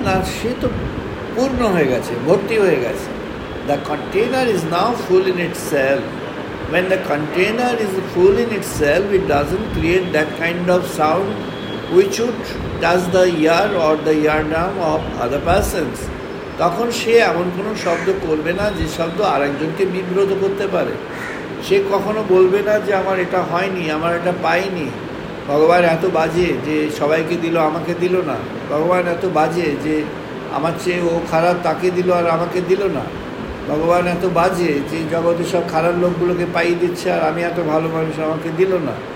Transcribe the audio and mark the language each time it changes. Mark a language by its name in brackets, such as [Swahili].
[Bangla] না, সে তো পূর্ণ হয়ে গেছে, ভর্তি হয়ে গেছে। [English] The container is now full in itself. When the container is full in itself, it doesn't create that kind of sound which would touch the ear or the eardrum of other persons. [Bangla] তখন সে এমন কোনো শব্দ করবে না যে শব্দ আরেকজনকে বিব্রত করতে পারে। সে কখনো বলবে না যে আমার এটা হয়নি, আমার এটা পাইনি, ভগবান এত বাজে যে সবাইকে দিল আমাকে দিল না, ভগবান এত বাজে যে আমার চেয়ে ও খারাপ তাকে দিল আর আমাকে দিল না, ভগবান এত বাজে যে জগতে সব খারাপ লোকগুলোকে পাইয়ে দিচ্ছে আর আমি এত ভালো মানুষ আমাকে দিল না।